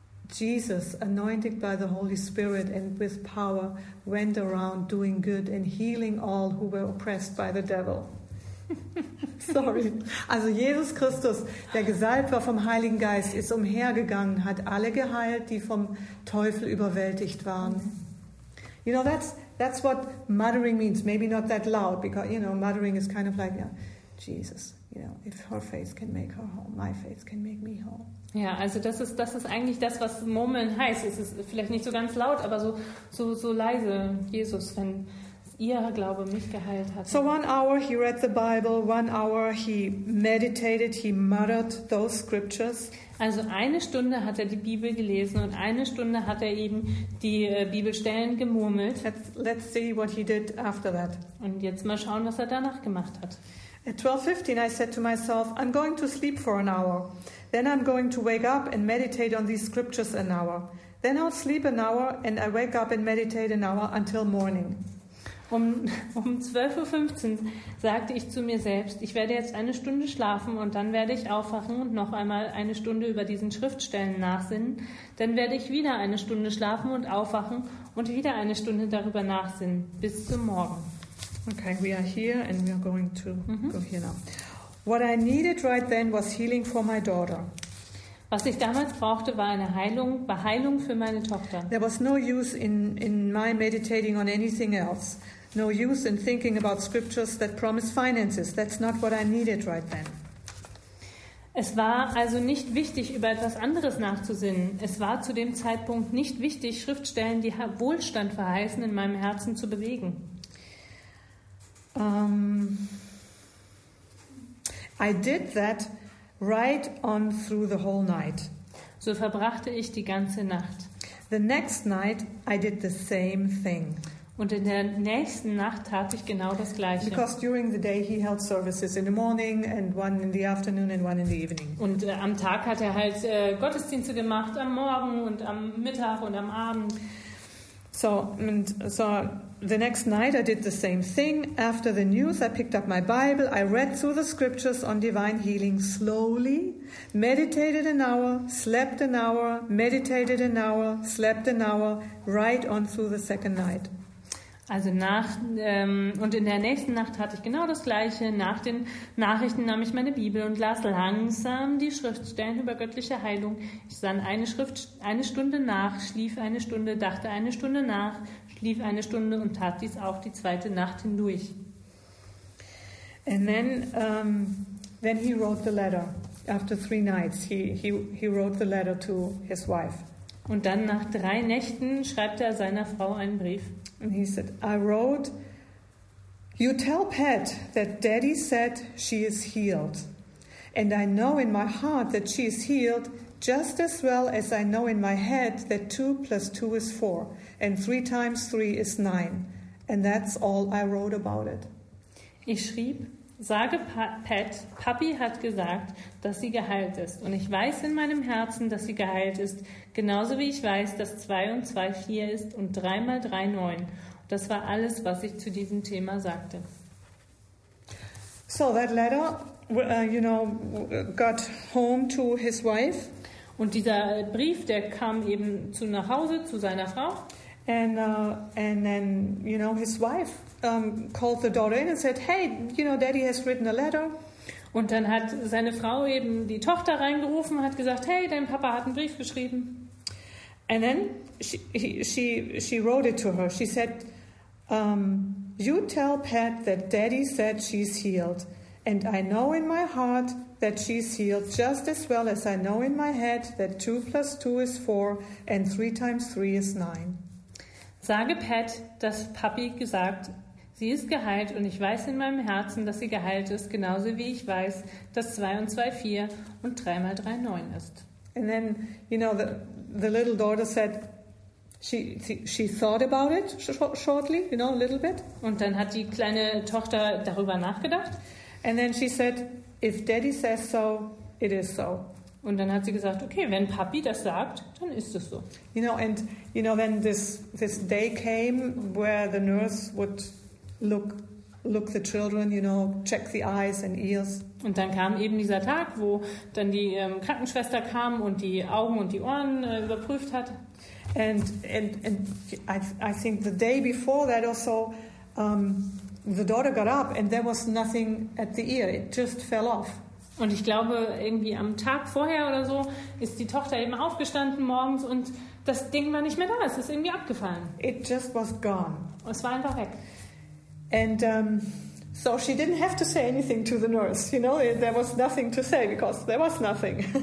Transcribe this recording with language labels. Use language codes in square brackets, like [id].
[en] Jesus, anointed by the Holy Spirit and with power, went around doing good and healing all who were oppressed by the devil. Sorry. [de] Also Jesus Christus, der gesalbt war vom Heiligen Geist, ist umhergegangen, hat alle geheilt, die vom Teufel überwältigt waren. [en] You know, that's what muttering means. Maybe not that loud, because, you know, muttering is kind of like, yeah, Jesus, you know, if her faith can make her whole, my faith can make me whole. [de] Ja, also das ist eigentlich das, was murmeln heißt. Es ist vielleicht nicht so ganz laut, aber so leise, Jesus, wenn ihr Glaube mich geheilt hat. [en] So 1 hour he read the Bible, 1 hour he meditated, he muttered those scriptures. [de] Also eine Stunde hat er die Bibel gelesen und eine Stunde hat er eben die Bibelstellen gemurmelt. [en] Let's see what he did after that. [de] Und jetzt mal schauen, was er danach gemacht hat. [en] At 12:15 I said to myself, I'm going to sleep for an hour. Then I'm going to wake up and meditate on these scriptures an hour. Then I'll sleep an hour and I wake up and meditate an hour until morning. [de] Um 12.15 Uhr sagte ich zu mir selbst, ich werde jetzt eine Stunde schlafen und dann werde ich aufwachen und noch einmal eine Stunde über diesen Schriftstellen nachsinnen. Dann werde ich wieder eine Stunde schlafen und aufwachen und wieder eine Stunde darüber nachsinnen. Bis zum Morgen. [en] Okay, we are here and we are going to go here now. What I needed right then was healing for my daughter. [de] Was ich damals brauchte, war eine Heilung für meine Tochter. [en] There was no use in my meditating on anything else. No use in thinking about scriptures that promise finances. That's not what I needed right then. [de] Es war also nicht wichtig, über etwas anderes nachzusinnen. Es war zu dem Zeitpunkt nicht wichtig, Schriftstellen, die Wohlstand verheißen, in meinem Herzen zu bewegen. [en] I did that right on through the whole night. [de] So verbrachte ich die ganze Nacht. [en] The next night I did the same thing. [de] Und in der nächsten Nacht tat ich genau das Gleiche. [en] Because during the day he held services in the morning and one in the afternoon and one in the evening. [de] Und am Tag hat er halt Gottesdienste gemacht, am Morgen und am Mittag und am Abend. [en] So, and so the next night I did the same thing. After the news, I picked up my Bible. I read through the scriptures on divine healing slowly, meditated an hour, slept an hour, meditated an hour, slept an hour, right on through the second night. [de] Also nach und in der nächsten Nacht hatte ich genau das Gleiche. Nach den Nachrichten nahm ich meine Bibel und las langsam die Schriftstellen über göttliche Heilung. Ich sann eine Schrift eine Stunde nach, schlief eine Stunde, dachte eine Stunde nach, schlief eine Stunde und tat dies auch die zweite Nacht hindurch. [en] And then then he wrote the letter after three nights. He wrote the letter to his wife. [de] Und dann nach drei Nächten schreibt er seiner Frau einen Brief. [en] And he said, I wrote, you tell Pat that Daddy said she is healed. And I know in my heart that she is healed just as well as I know in my head that 2 + 2 = 4. And 3 × 3 = 9. And that's all I wrote about it. [de] Ich schrieb, sage Pat, Papi hat gesagt, dass sie geheilt ist. Und ich weiß in meinem Herzen, dass sie geheilt ist, genauso wie ich weiß, dass 2 + 2 = 4 ist und 3 × 3 = 9. Das war alles, was ich zu diesem Thema sagte. [en] So that letter, you know, got home to his wife. [de] Und dieser Brief, der kam eben zu nach Hause, zu seiner Frau. [en] And then, you know, his wife called the daughter in and said, hey, you know, Daddy has written a letter. [de] Und dann hat seine Frau eben die Tochter reingerufen, hat gesagt, hey, dein Papa hat einen Brief geschrieben. [en] And then she wrote it to her. She said, you tell Pat that Daddy said she's healed. And I know in my heart that she's healed just as well as I know in my head that 2 + 2 = 4 and 3 × 3 = 9. [de] Sage Pat, dass Papi gesagt, sie ist geheilt und ich weiß in meinem Herzen, dass sie geheilt ist, genauso wie ich weiß, dass 2 + 2 = 4 und 3 × 3 = 9 ist. [en] And then, you know, the little daughter said, she thought about it shortly, you know, a little bit. [de] Und dann hat die kleine Tochter darüber nachgedacht. [en] And then she said, if Daddy says so, it is so. [de] Und dann hat sie gesagt, okay, wenn Papi das sagt, dann ist es so. [en] You know, and you know, when this day came where the nurse would look the children, you know, check the eyes and ears. [de] Und dann kam eben dieser Tag, wo dann die Krankenschwester kam und die Augen und die Ohren überprüft hat. [en] And I think the day before that also the daughter got up and there was nothing at the ear. It just fell off. [de] Und ich glaube, irgendwie am Tag vorher oder so ist die Tochter eben aufgestanden morgens und das Ding war nicht mehr da. Es ist irgendwie abgefallen. [en] It just was gone. [de] Es war einfach weg. [en] And so she didn't have to say anything to the nurse. You know, there was nothing to say because there was nothing.